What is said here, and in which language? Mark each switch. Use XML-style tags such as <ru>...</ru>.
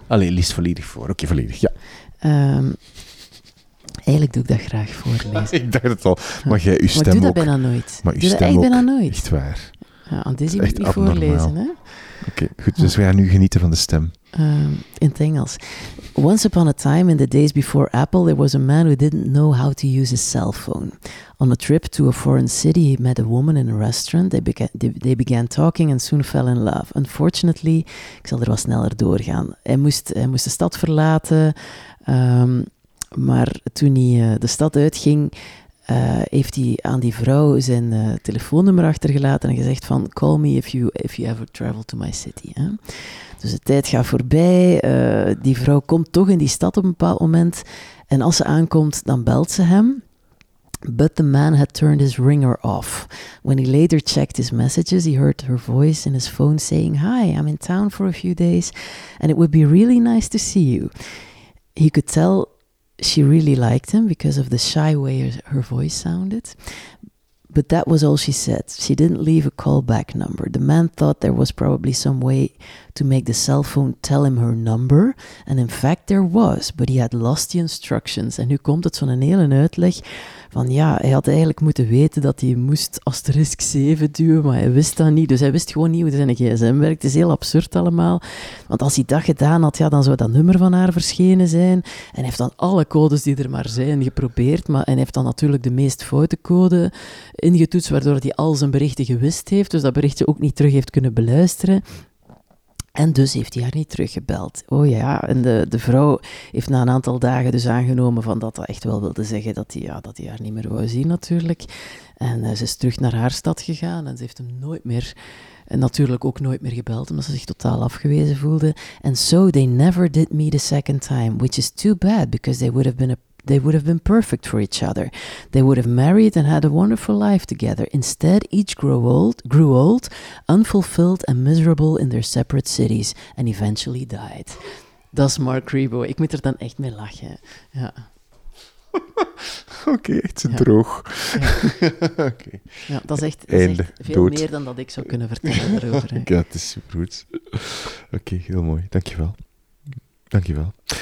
<nl>Allee, liefst volledig voor. Oké, volledig, ja. Eigenlijk doe ik dat graag voorlezen. Ik dacht het al. Mag jij uw stem ook... Maar doe dat ook. Bijna nooit. Maar doe dat eigenlijk bijna nooit. Echt waar. Ja, want dit is niet abnormaal. Voorlezen, hè. Oké, goed. Dus we gaan nu genieten van de stem. In het Engels.</nl> <en>Once upon a time, in the days before Apple, there was a man who didn't know how to use his cell phone. On a trip to a foreign city, he met a woman in a restaurant. They began talking and soon fell in love.</en> <nl>Unfortunately, ik zal er wat sneller doorgaan. Hij moest de stad verlaten, maar toen hij de stad uitging, heeft hij aan die vrouw zijn telefoonnummer achtergelaten en gezegd van,</nl> <en>call me if you ever travel to my city.</en> <nl>Hè? Dus de tijd gaat voorbij, die vrouw komt toch in die stad op een bepaald moment en als ze aankomt, dan belt ze hem.</nl> <en>But the man had turned his ringer off. When he later checked his messages, he heard her voice in his phone saying, hi, I'm in town for a few days and it would be really nice to see you. He could tell she really liked him because of the shy way her voice sounded. But that was all she said. She didn't leave a callback number. The man thought there was probably some way to make the cell phone tell him her number. And in fact, there was. But he had lost the instructions.</en> <nl>En nu komt het zo'n hele uitleg van ja, hij had eigenlijk moeten weten dat hij moest asterisk 7 duwen, maar hij wist dat niet. Dus hij wist gewoon niet hoe zijn gsm werkt. Het is heel absurd allemaal. Want als hij dat gedaan had, ja, dan zou dat nummer van haar verschenen zijn. En hij heeft dan alle codes die er maar zijn geprobeerd. Maar, en hij heeft dan natuurlijk de meest foute code ingetoetst, waardoor hij al zijn berichten gewist heeft. Dus dat berichtje ook niet terug heeft kunnen beluisteren. En dus heeft hij haar niet teruggebeld. Oh ja, en de vrouw heeft na een aantal dagen dus aangenomen van dat echt wel wilde zeggen dat hij ja, haar niet meer wou zien natuurlijk. En ze is terug naar haar stad gegaan en ze heeft hem nooit meer, en natuurlijk ook nooit meer gebeld, omdat ze zich totaal afgewezen voelde.</nl> <en>And so they never did meet a second time, which is too bad, because they would have been perfect for each other. They would have married and had a wonderful life together. Instead, each grew old, unfulfilled and miserable in their separate cities, and eventually died.</en> <nl>Dat is Mark Rebo. Ik moet er dan echt mee lachen. Ja. Oké, echt zo droog. Ja.</nl> <en>Okay.</en> <nl>Ja, dat is echt, einde, veel dood. Meer dan dat ik zou kunnen vertellen erover. Ja, dat is supergoed. Oké, heel mooi. Dankjewel. Dankjewel.</nl>